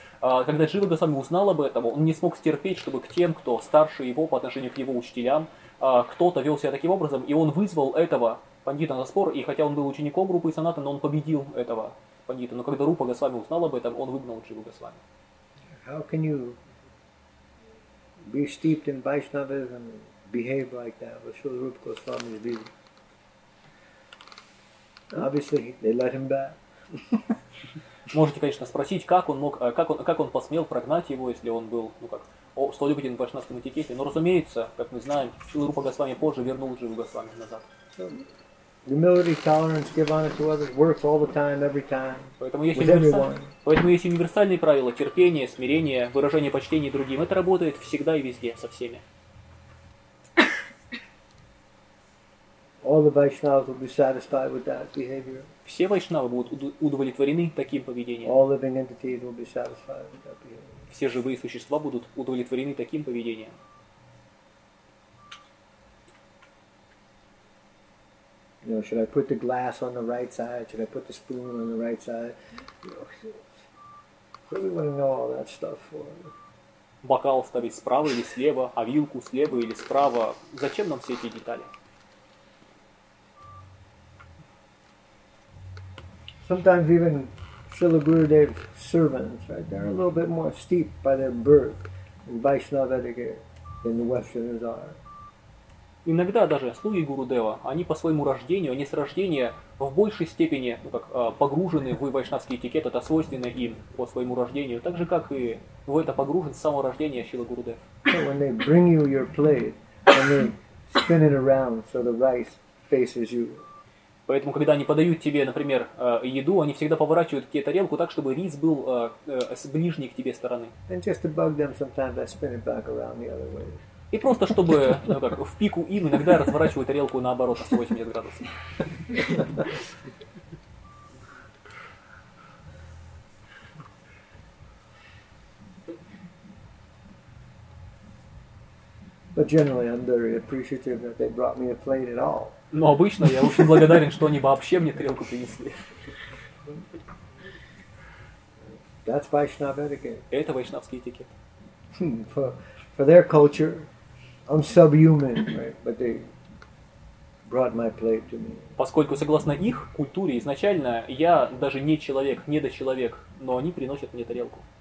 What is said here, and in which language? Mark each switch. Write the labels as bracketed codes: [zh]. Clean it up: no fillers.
[ru] Когда Джива Госвами узнал об этом, он не смог стерпеть, чтобы к тем, кто старше его по отношению к его учителям, кто-то вел себя таким образом, и он вызвал этого бандита на спор, и хотя он был учеником Рупы и Санатана, но он победил этого бандита. Но когда Рупа Госвами узнал об этом, он выгнал Джива Госвами. [en] How can you be steeped in Vaishnavism and behave like that? What should Rupa Goswami be? Obviously, they let him back. [ru] Можете, конечно, спросить, как он посмел прогнать его, если он был, ну как, столь любитель в вайшнавском этикете. Но, разумеется, как мы знаем, Рупа Госвами позже вернул Джива Госвами назад. [en] Humility, tolerance, give honor to others works all the time, every time. [ru] Поэтому есть универсальные правила: терпение, смирение, выражение почтения другим. Это работает всегда и везде со всеми. [en] All the Vaishnavas will be satisfied with that behavior. [ru] Все вайшнавы будут удовлетворены таким поведением. [en] All living entities will be satisfied with that behavior. [ru] Все живые существа будут удовлетворены таким поведением. [en] You know, should I put the glass on the right side? Should I put the spoon on the right side? You know, what do we want to know all that stuff for? [ru] Бокал ставить справа или слева, а вилку слева или справа? Зачем нам все эти детали? [en] Sometimes even Srila Gurudev's servants, right, they're a little bit more steeped by their birth in Vaishnava etiquette than the Westerners are. [ru] Иногда даже слуги Гурудева, они по своему рождению, они с рождения в большей степени, ну как, погружены в вайшнавский этикет, это свойственно им по своему рождению, так же как и в это погружен с самого рождения Шрила Гурудев. [en] So when they bring you your plate and they spin it around so the rice faces you. [ru] Поэтому когда они подают тебе, например, еду, они всегда поворачивают тебе тарелку так, чтобы рис был с ближней к тебе стороны. [en] And just to bug them sometimes I spin it back around the other way. [ru] И просто чтобы, ну как, в пику им иногда разворачивают тарелку наоборот на 180 градусов. [en] But generally I'm very appreciative that they brought me a plate at all. [ru] Но обычно я очень благодарен, что они вообще мне тарелку принесли. [en] That's Vaishnav etiquette. [ru] Это вайшнавский этикет. [en] For their culture. I'm subhuman, right? But they brought my plate to me. [ru] Поскольку согласно их культуре изначально я даже не человек, не до человек, но они приносят мне тарелку.